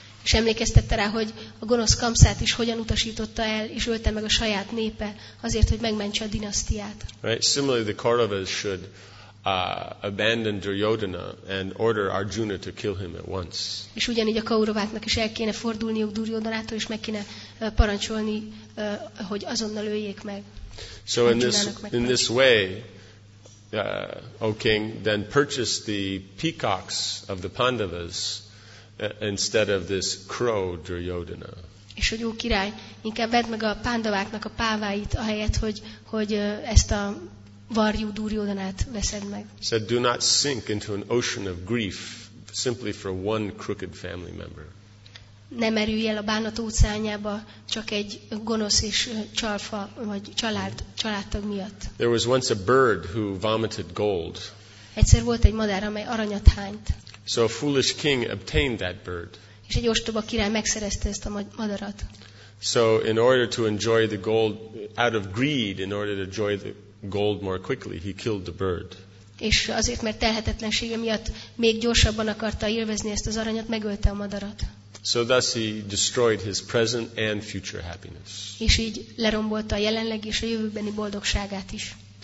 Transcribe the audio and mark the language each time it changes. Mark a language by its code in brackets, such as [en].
[hu] És emlékeztette rá, hogy a gonosz Kamszát is hogyan utasította el, és ölte meg a saját népe azért, hogy megmentse a dinasztiát. [en] Right. Similarly, the Kauravas should abandon Duryodhana and order Arjuna to kill him at once. [hu] És ugyanígy a Kauraváknak is el kéne fordulniuk Duryodhanától, és meg kéne parancsolni, hogy azonnal öljék meg. [en] So in this way, O king, then purchase the peacocks of the Pandavas instead of this crow Duryodhana. [hu] És hogy ó király, inkább vedd meg a Pandaváknak a páváit ahelyett, hogy ezt a varjú Duryodhanát veszed meg. [en] So do not sink into an ocean of grief simply for one crooked family member. [hu] Ne merülj el a bánat óceánjába csak egy gonosz és csalfa vagy családtag miatt. [en] There was once a bird who vomited gold. [hu] Egyszer volt egy madár, amely aranyat hányt. [en] So a foolish king obtained that bird. [hu] És egy ostoba király megszerezte ezt a madarat. [en] So in order to enjoy the gold, out of greed, in order to enjoy the gold more quickly, he killed the bird. [hu] És azért, mert telhetetlensége miatt még gyorsabban akarta élvezni ezt az aranyat, megölte a madarat. [en] So thus he destroyed his present and future happiness. [hu] És így lerombolta a jelenlegi és a jövőbeni boldogságát is.